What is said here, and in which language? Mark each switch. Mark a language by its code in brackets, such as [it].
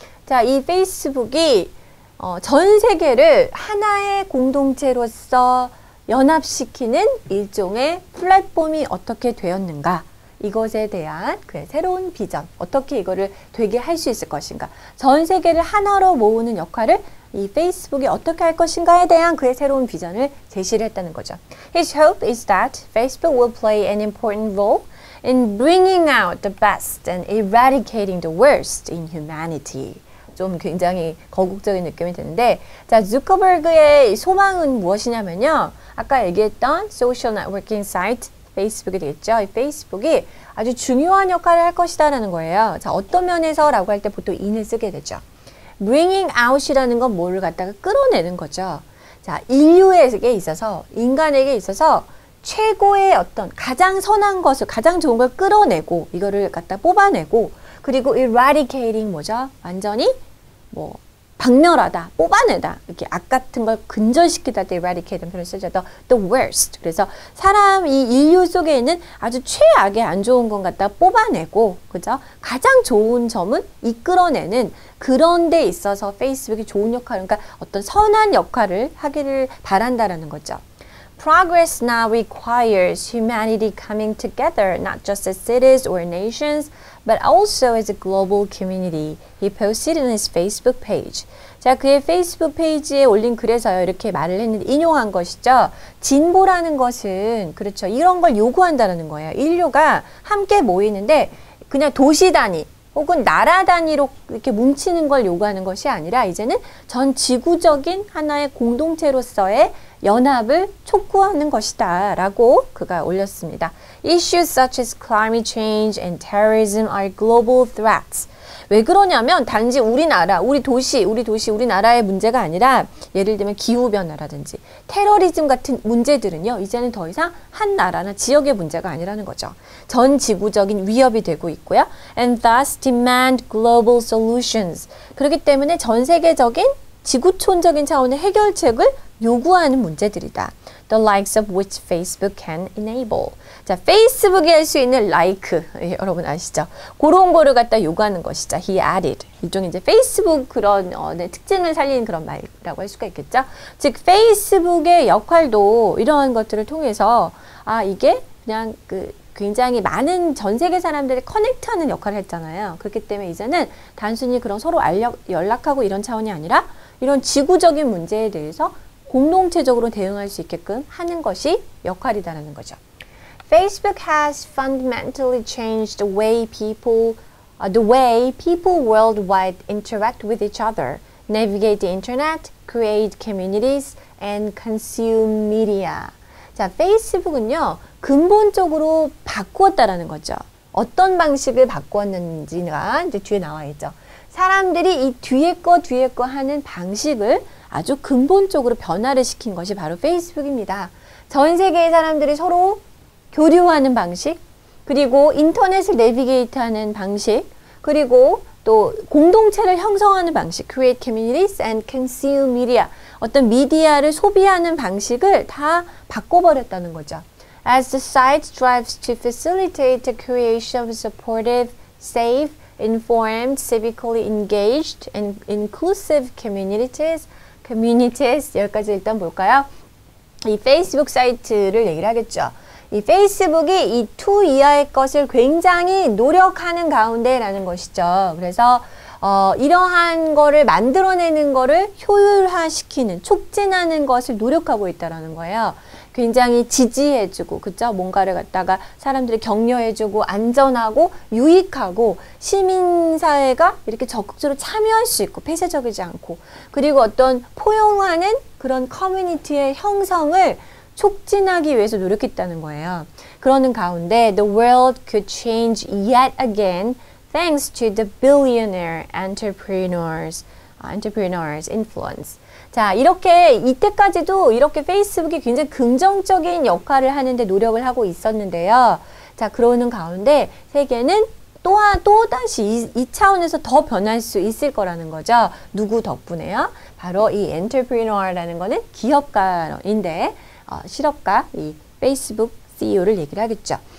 [ko] 자, 이 페이스북이 전 세계를 하나의 공동체로서 연합시키는 일종의 플랫폼이 어떻게 되었는가? 이것에 대한 그의 새로운 비전, 어떻게 이거를 되게 할 수 있을 것인가? 전 세계를 하나로 모으는 역할을 이 페이스북이 어떻게 할 것인가에 대한 그의 새로운 비전을 제시를 했다는 거죠. [en] His hope is that Facebook will play an important role in bringing out the best and eradicating the worst in humanity. [ko] 좀 굉장히 거국적인 느낌이 드는데 자, 주커버그의 소망은 무엇이냐면요. 아까 얘기했던 소셜 네트워킹 사이트 페이스북이 되겠죠. 이 페이스북이 아주 중요한 역할을 할 것이다 라는 거예요. 자, 어떤 면에서 라고 할 때 보통 in을 쓰게 되죠. bringing out이라는 건 뭐를 갖다가 끌어내는 거죠. 자, 인류에게 있어서, 인간에게 있어서 최고의 어떤 가장 선한 것을, 가장 좋은 걸 끌어내고 이거를 갖다 뽑아내고 그리고 eradicating 뭐죠? 완전히 뭐 박멸하다, 뽑아내다, 이렇게 악 같은 걸 근절시키다, eradicate 표현을 쓰죠. [en] The worst. [ko] 그래서 사람, 이 인류 속에 있는 아주 최악의 안 좋은 건 갖다 뽑아내고, 그죠? 가장 좋은 점은 이끌어내는 그런 데 있어서 페이스북이 좋은 역할, 그러니까 어떤 선한 역할을 하기를 바란다라는 거죠. [en] Progress now requires humanity coming together, not just as cities or nations, but also as a global community. He posted in his Facebook page. [ko] 자, 그의 Facebook 페이지에 올린 글에서요, 이렇게 말을 했는데, 인용한 것이죠. 진보라는 것은, 그렇죠. 이런 걸 요구한다는 거예요. 인류가 함께 모이는데, 그냥 도시 단위, 혹은 나라 단위로 이렇게 뭉치는 걸 요구하는 것이 아니라, 이제는 전 지구적인 하나의 공동체로서의 연합을 촉구하는 것이다 라고 그가 올렸습니다. [en] Issues such as climate change and terrorism are global threats. [ko] 왜 그러냐면 단지 우리나라, 우리 도시, 우리나라의 문제가 아니라 예를 들면 기후변화라든지 테러리즘 같은 문제들은요. 이제는 더 이상 한 나라나 지역의 문제가 아니라는 거죠. 전 지구적인 위협이 되고 있고요. [en] And thus demand global solutions. [ko] 그렇기 때문에 전 세계적인 지구촌적인 차원의 해결책을 요구하는 문제들이다. [en] The likes of which Facebook can enable. [ko] 자, 페이스북이 할 수 있는 like, 예, 여러분 아시죠? 그런 거를 갖다 요구하는 것이죠. [en] He added. [ko] 일종의 이제 페이스북 그런 네, 특징을 살리는 그런 말이라고 할 수가 있겠죠? 즉, 페이스북의 역할도 이러한 것들을 통해서 아, 이게 그냥 그 굉장히 많은 전 세계 사람들이 커넥트하는 역할을 했잖아요. 그렇기 때문에 이제는 단순히 그런 서로 연락하고 이런 차원이 아니라 이런 지구적인 문제에 대해서 공동체적으로 대응할 수 있게끔 하는 것이 역할이다라는 거죠. [en] Facebook has fundamentally changed the way people worldwide interact with each other, navigate the internet, create communities, and consume media. [ko] 자, 페이스북은요, 근본적으로 바꾸었다라는 거죠. 어떤 방식을 바꾸었는지가 이제 뒤에 나와 있죠. 사람들이 이 뒤에 거 하는 방식을 아주 근본적으로 변화를 시킨 것이 바로 페이스북입니다. 전 세계의 사람들이 서로 교류하는 방식, 그리고 인터넷을 내비게이트하는 방식, 그리고 또 공동체를 형성하는 방식, [en] create communities and consume media, [ko] 어떤 미디어를 소비하는 방식을 다 바꿔버렸다는 거죠. [en] As the site strives to facilitate the creation of supportive, safe, informed, civically engaged and inclusive communities, [ko] 여기까지 일단 볼까요? 이 페이스북 사이트를 얘기를 하겠죠. 이 페이스북이 이 2 이하의 것을 굉장히 노력하는 가운데라는 것이죠. 그래서 이러한 거를 만들어내는 거를 효율화시키는, 촉진하는 것을 노력하고 있다라는 거예요. 굉장히 지지해주고, 그죠? 뭔가를 갖다가 사람들이 격려해주고, 안전하고, 유익하고, 시민사회가 이렇게 적극적으로 참여할 수 있고, 폐쇄적이지 않고, 그리고 어떤 포용하는 그런 커뮤니티의 형성을 촉진하기 위해서 노력했다는 거예요. 그러는 가운데, [en] the world could change yet again thanks to the billionaire entrepreneurs' influence. [ko] 자, 이렇게 이때까지도 이렇게 페이스북이 굉장히 긍정적인 역할을 하는데 노력을 하고 있었는데요. 자, 그러는 가운데 세계는 또다시 이 차원에서 더 변할 수 있을 거라는 거죠. 누구 덕분에요? 바로 이 entrepreneur라는 거는 기업가인데 실업가, 이 페이스북 CEO를 얘기를 하겠죠.